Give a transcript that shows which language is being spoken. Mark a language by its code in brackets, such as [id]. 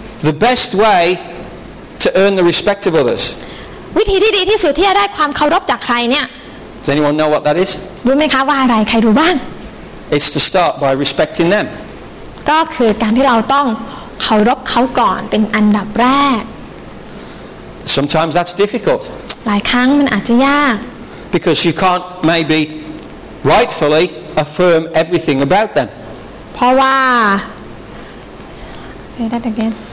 [en] The best way to earn the respect of others. [th] วิธีที่ดีที่สุดที่จะได้ความเคารพจากใครเนี่ย [en] Does anyone know what that is? [th] รู้ไหมคะว่าอะไรใครรู้บ้าง [en] It's to start by respecting them. [th] ก็คือการที่เราต้องเคารพเขาก่อนเป็นอันดับแรก [en] Sometimes that's difficult. [th] หลายครั้งมันอาจจะยาก [en] Because you can't maybe rightfully affirm everything about them. [th] เพราะว่า [en] Say that again.